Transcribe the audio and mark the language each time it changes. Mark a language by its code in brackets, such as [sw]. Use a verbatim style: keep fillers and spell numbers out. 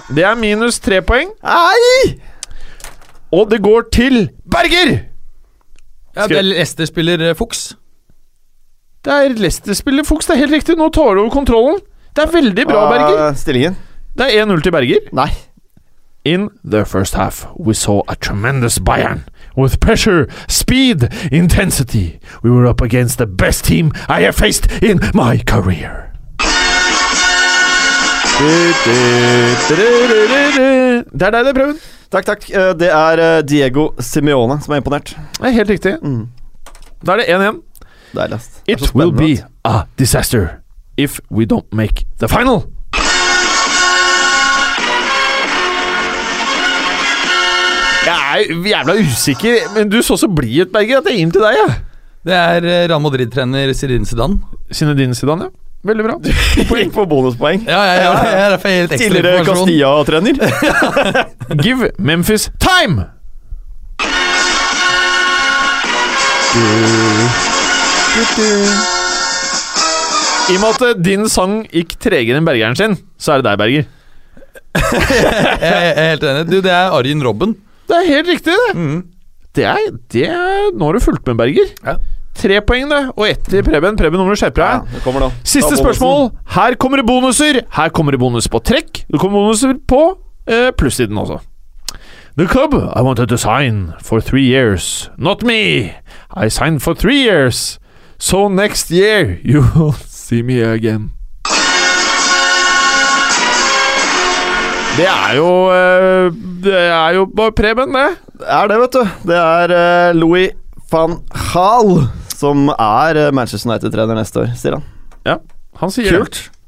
[no] Det er minus tre poeng. Nei! Og det går til Berger! Ja, det er Leicester-spiller Fuchs. Det er Leicester-spiller Fuchs, det er helt riktig. Nå tar du over kontrollen. Det er veldig bra, Berger. Stillingen? Det er én null til Berger. Nei. [en] In the first half, we saw a tremendous Bayern with pressure, speed, intensity. We were up against the best team I have faced in my career. [no] Det er deg det, Preben. Takk, takk. Det er Diego Simeone som er imponert. Det er helt riktig. Mm. Da er det én igjen. Det er lest. [en] It [no] det er [en] will be a disaster if we don't make the final. [no] Jeg er jævla usikker, men du så så blid ut, Berger, at det er inn til deg, ja. Det er Real Madrid-trener Zinedine Zidane. Zinedine Zidane, ja. Veldig bra. Poeng på bonuspoeng. Ja, ja, ja. Det er derfor helt ekstra tidligere Castilla-trener. [en] Give Memphis time! [no] I og med at din sang gikk tregere enn Bergeren sin, så er det deg, Berger. Jeg er helt enig. Du, det er Arjen Robben. Det er helt riktig, det. Mm. Det, er, det er, nå har du fulgt med, Berger. Ja. Tre poeng, det. Og ett til Preben. Preben, nå skjerper deg. Ja, siste spørsmål. Her kommer det bonuser. Her kommer det bonus på trekk. Det kommer bonuser på uh, plussiden også. [en] The club I wanted to sign for three years. Not me. I signed for three years. So next year you will see me again. [no] Det er jo Det er jo bare Preben, det. Det er det, vet du. Det er Louis van Gaal som er Manchester United-trener neste år, sier han. Ja, han sier kult.